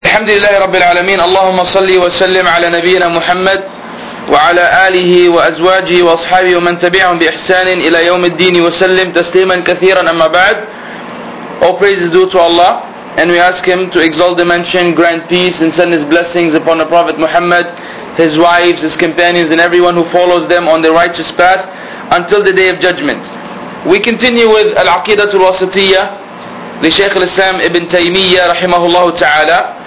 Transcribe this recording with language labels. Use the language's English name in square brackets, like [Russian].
[Arabic] الحمد لله رب العالمين، اللهم صل وسلم على نبينا محمد وعلى آله وأزواجه وأصحابه ومن تبعهم بإحسان إلى يوم الدين وسلم تسليما كثيرا. أما بعد، [English] all praise is due to Allah and we ask him to exalt the mention, grant peace and send his blessings upon the Prophet Muhammad, his wives, his companions and everyone who follows them on the righteous path until the day of judgment. We continue with Al-Aqidah Al-Wasitiyah [Arabic] لشيخ الإسلام ابن تيمية رحمه الله تعالى.